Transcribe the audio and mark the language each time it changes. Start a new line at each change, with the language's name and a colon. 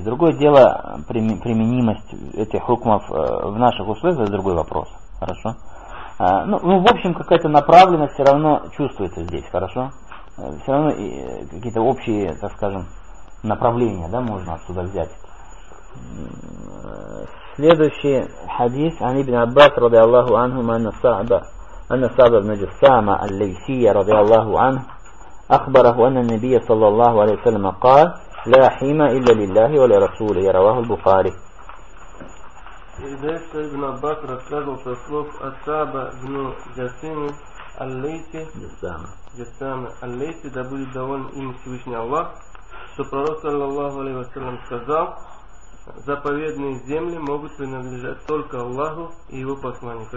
Russian: Другое дело, применимость этих хукмов в наших условиях, это другой вопрос. Хорошо? Ну, в общем, какая-то направленность все равно чувствуется здесь, хорошо? Все равно какие-то общие, так скажем, направления, да, можно отсюда взять. Следующий хадис
Arabic: عن ابن عباس رضي الله عنهما أن صعب بن جثامة الليثي رضي الله عنه أخبره أن النبي صلى الله عليه وسلم قال لا حيمة إلا لله ولرسوله رواه البخاري.
Russian: إذا ابن عباس рассказывал со слов صعب بن جثامة الليثي جثامة الليثي да будет доволен им Всевышний Аллах, что пророк صلى الله عليه وسلم сказал: заповедные земли могут принадлежать только Аллаху и его посланнику.